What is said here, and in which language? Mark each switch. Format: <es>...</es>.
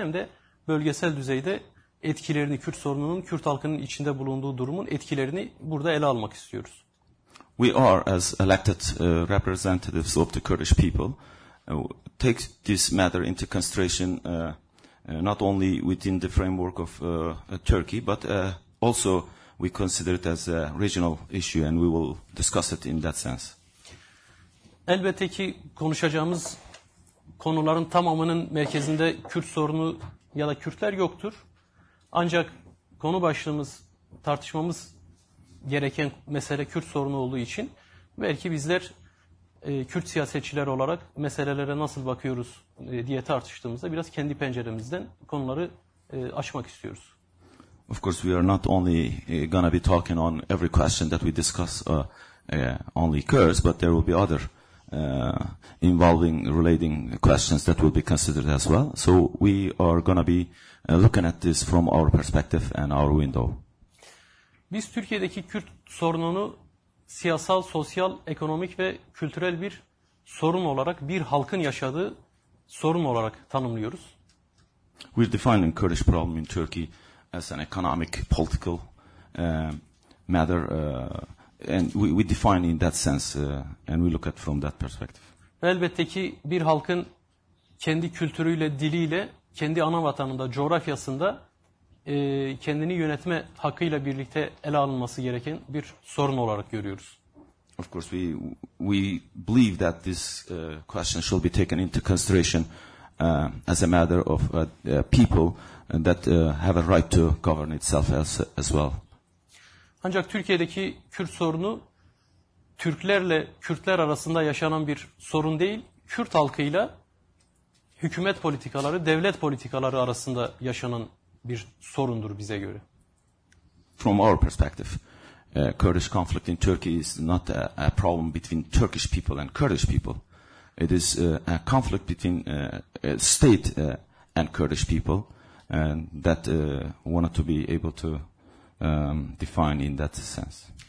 <tr>Hem de bölgesel düzeyde etkilerini, Kürt sorununun, Kürt halkının içinde bulunduğu durumun etkilerini burada ele almak istiyoruz.</tr> <en>We are, as elected representatives of the Kurdish people, take this matter into consideration not only within the framework of Turkey, but also we consider it as a regional issue and we will discuss it in that sense.</en> <tr>Elbette ki konuşacağımız konuların tamamının merkezinde Kürt sorunu ya da Kürtler yoktur. Ancak konu başlığımız, tartışmamız gereken mesele Kürt sorunu olduğu için belki bizler Kürt siyasetçiler olarak meselelere nasıl bakıyoruz diye tartıştığımızda biraz kendi penceremizden konuları açmak istiyoruz.</tr> <en>Of course we are not only gonna be talking on every question that we discuss only Kurds, but there will be other involving relating questions that will be considered as well. So we are gonna be looking at this from our perspective and our window.</en> <tr>Biz Türkiye'deki Kürt sorununu siyasal, sosyal, ekonomik ve kültürel bir sorun olarak, bir halkın yaşadığı sorun olarak tanımlıyoruz.</tr> <en>We're defining Kurdish problem in Turkey as an economic, political matter, and we define in that sense and we look at from that perspective.</en> <tr>Elbette ki bir halkın kendi kültürüyle, diliyle, kendi ana vatanında, coğrafyasında kendini yönetme hakkıyla birlikte ele alınması gereken bir sorun olarak görüyoruz.</tr> <en>Of course we believe that this question should be taken into consideration as a matter of people that have a right to govern itself as well.</en> <tr>Ancak Türkiye'deki Kürt sorunu Türklerle Kürtler arasında yaşanan bir sorun değil, Kürt halkıyla hükümet politikaları, devlet politikaları arasında yaşanan bir sorundur bize göre.</tr> <en>From our perspective, Kurdish conflict in Turkey is not a problem between Turkish people and Kurdish people. It is a conflict between state and Kurdish people, and that wanted to be able to define in that sense.</en>